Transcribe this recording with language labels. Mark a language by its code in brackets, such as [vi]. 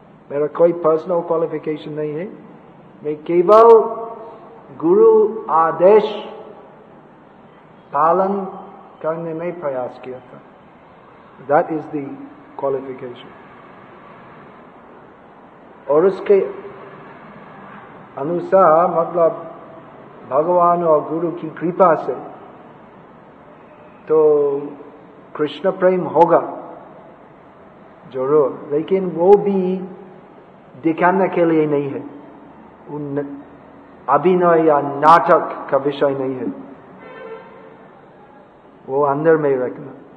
[hi] मेरा कोई personal qualification नहीं है, मैं केवल गुरु आदेश पालन करने में प्रयास किया था। [en] That is the qualification. [hi] और उसके अनुसार मतलब भगवान और गुरु की कृपा से तो कृष्ण प्रेम होगा जरूर, लेकिन वो भी दिखाने के लिए नहीं है, उन अभिनय या नाटक का विषय नहीं है, वो अंदर में रखना।